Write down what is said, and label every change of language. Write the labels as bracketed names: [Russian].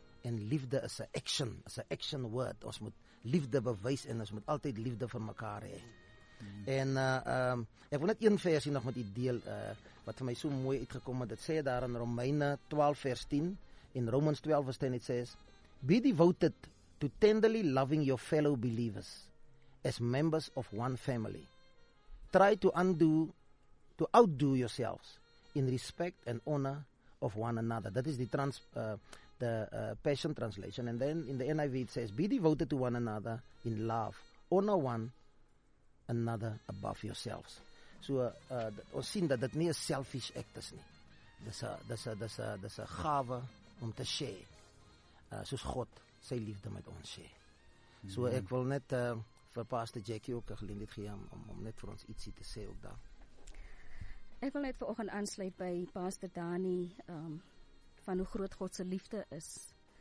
[Afrikaans] En liefde is 'n action, is 'n action word. Ons moet liefde bewys, en ons moet altyd liefde vir mekaar hê. En ek wil net een versie nog met u deel, wat vir my so mooi uitgekom het. Dit sê daar in Romeine 12 vers 10, in Romans 12 vers 10, het sê, [English] be devoted to tenderly loving your fellow believers as members of one family. Try to outdo yourselves in respect and honor of one another. That is the Passion Translation. And then in the NIV it says, be devoted to one another in love, honor one another above yourselves. [Afrikaans] So ons sien dat dit nie 'n selfish act is nie. Dis 'n gawe om te share, soos God sy liefde met ons share. So ek wil net vir Pastor Jackie ook 'n geleentheid gee om net vir ons ietsie te sê ook daar. Ek wil net vanoggend aansluit by Pastor Dani van hoe groot God se liefde is.